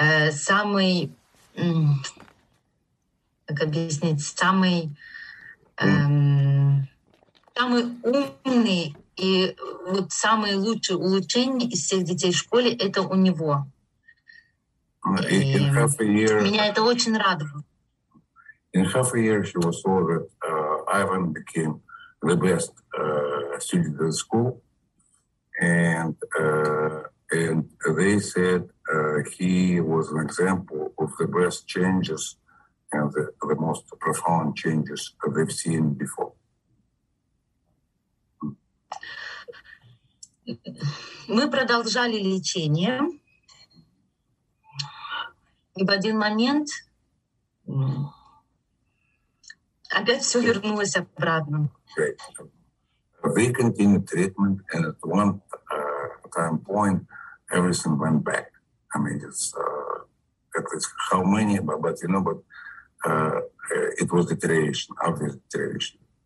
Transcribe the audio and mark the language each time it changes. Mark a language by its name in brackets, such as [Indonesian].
[Russian] Самый, как объяснить, самый, самый умный и вот самые лучшие улучшения из всех детей в школе — это у него. [English] In half a year, [Russian] меня это очень радовало. [English] In half a year she was told that Ivan became the best student in the school, and they said he was an example of the best changes and the most profound changes they've seen before. [Russian] Мы продолжали лечение, и в один момент опять все вернулось обратно. [English] Great. They continued treatment, and at one time point, everything went back. I mean, it's at least how many, but you know, but it was deterioration, obvious deterioration.